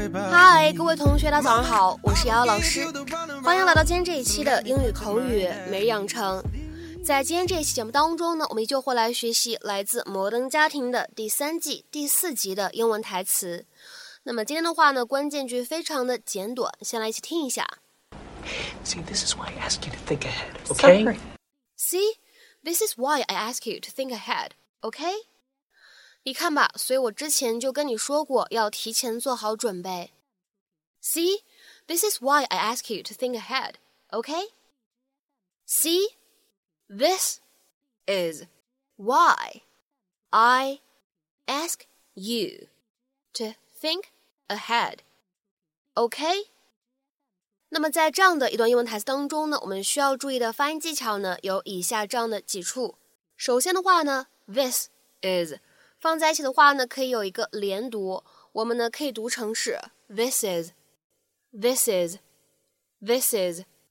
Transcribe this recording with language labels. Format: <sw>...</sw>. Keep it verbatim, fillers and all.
<zh>嗨，各位同学，大家早上好，我是瑶瑶老师，欢迎来到今天这一期的英语口语每日养成。在今天这一期节目当中呢，我们依旧会来学习来自《摩登家庭》的第三季第四集的英文台词。那么今天的话呢，关键句非常的简短，先来一起听一下。</zh> <en>See, this is why I ask you to think ahead, okay? See, this is why I ask you to think ahead, okay?</en> <zh>你看吧，所以我之前就跟你说过，要提前做好准备。</zh> <en>See, this is why I ask you to think ahead, okay? See, this is why I ask you to think ahead, okay?</en> <zh>那么在这样的一段英文台词当中呢，我们需要注意的发音技巧呢，有以下这样的几处。首先的话呢 ，this is放在一起的话呢，可以有一个连读，我们呢可以读成是</zh> <en>this is, this is, this is。</en>